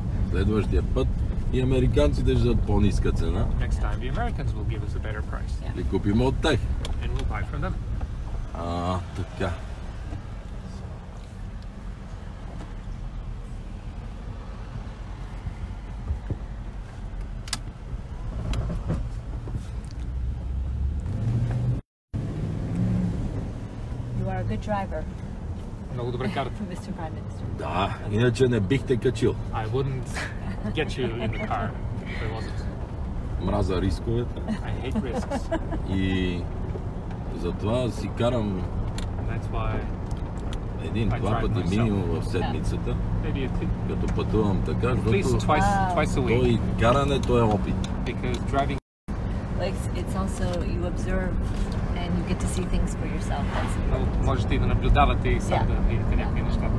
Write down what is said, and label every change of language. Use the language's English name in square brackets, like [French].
[Bulgarian] Следващия път и американците ще дадат по-ниска цена. [English] Next time the Americans will give us a better price. [Bulgarian] Yeah. И купим от тях. [English] And we'll buy from them. [Bulgarian] А, така. [English] You are a good driver. [Bulgarian] Много добре карате. [English] Mr. Prime Minister. [Bulgarian] Да, иначе не бихте качил. [English] I wouldn't get you in the car if I wasn't. [Bulgarian] Мраза рисковете. [English] I hate risks. [Bulgarian] И затова си карам един, два пъти минимум в седмицата. Като пътувам така, защото той каране, той е опит. [English] Because driving like it's also you observe and you get to see things for yourself. [Bulgarian] Можете и да наблюдавате и сам да видите някакви неща.